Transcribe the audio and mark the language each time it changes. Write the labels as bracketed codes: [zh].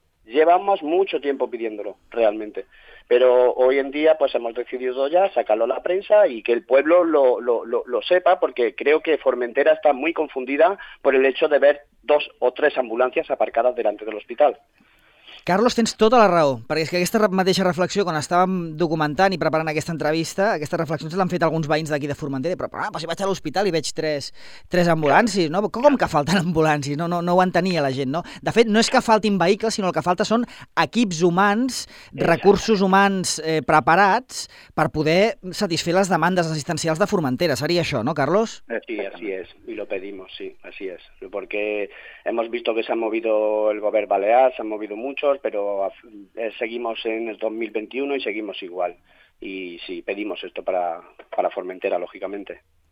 [es] Llevamos mucho tiempo pidiéndolo, realmente. Pero hoy en día pues hemos decidido ya sacarlo a la prensa y que el pueblo lo sepa, porque creo que Formentera está muy confundida por el hecho de ver 2 o 3 ambulancias aparcadas delante del hospital. [ca] Carlos, tens tota la raó, perquè és que aquesta mateixa reflexió, quan estàvem documentant i preparant aquesta entrevista, aquestes reflexions l'han fet alguns veïns d'aquí de Formentera, però si vaig a l'hospital i veig tres ambulàncies, no? Com que falten ambulàncies? No ho entenia la gent, no? De fet, no és que faltin vehicles, sinó el que falta són equips humans, recursos humans preparats per poder satisfer les demandes assistencials de Formentera. Seria això, no, Carlos? [es] Sí, así es, y lo pedimos, sí, así es. Porque hemos visto que se ha movido el gobierno balear, se ha movido mucho, pero seguimos en el 2021 y seguimos igual. Y sí, pedimos esto para Formentera, lógicamente.